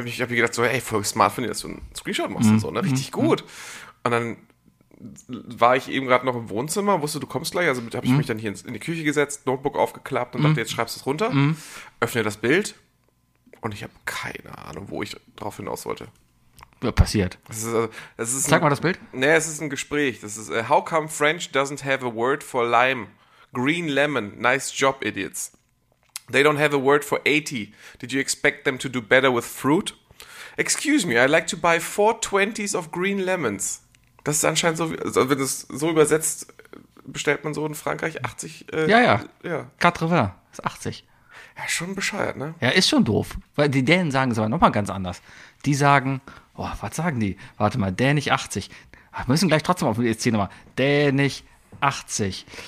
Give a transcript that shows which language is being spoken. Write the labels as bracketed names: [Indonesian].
[German] Ich hab mir gedacht so, ey, voll smart von dir, dass du einen Screenshot machst und so, ne? Richtig gut. Und dann war ich eben gerade noch im Wohnzimmer, wusste, du kommst gleich, also habe ich mich dann hier in die Küche gesetzt, Notebook aufgeklappt und dachte, jetzt schreibst du es runter, öffne das Bild und ich habe keine Ahnung, wo ich drauf hinaus wollte. Passiert. Sag mal das Bild. Nee, es ist ein Gespräch. Das ist, [English] how come French doesn't have a word for lime? Green lemon, nice job, idiots. They don't have a word for 80. Did you expect them to do better with fruit? Excuse me, I'd like to buy 4 20s of green lemons. [German] Das ist anscheinend so, also wenn es so übersetzt, bestellt man so in Frankreich 80. Ja. 80 ist 80. Ja, schon bescheuert, ne? Ja, ist schon doof. Weil die Dänen sagen es aber nochmal ganz anders. Die sagen, oh, was sagen die? Warte mal, dänisch 80. Wir müssen gleich trotzdem auf die ESC nochmal. Dänisch 80.